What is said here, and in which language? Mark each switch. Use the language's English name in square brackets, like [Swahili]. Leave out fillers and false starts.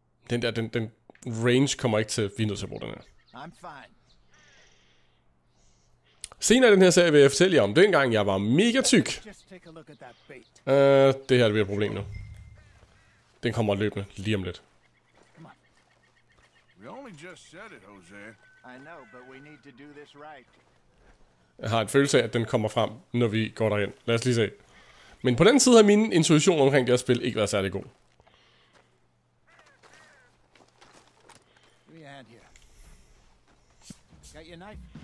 [Danish] Den der, den range kommer ikke til, vi er nødt til at bruge den her. [English] I'm fine. [Danish] Senere i den her serie vil jeg fortælle jer om, dengang jeg var mega tyk. Det her er det et problem nu. Den kommer løbende lige om lidt. [English] We only just said it, Jose. I know, but we need to do this right. [Danish] Jeg har en følelse af, at den kommer frem, når vi går derhen. Lad os lige se. Men på den side har min intuition omkring det her spil ikke været særlig god. [English] We had here. Got your knife?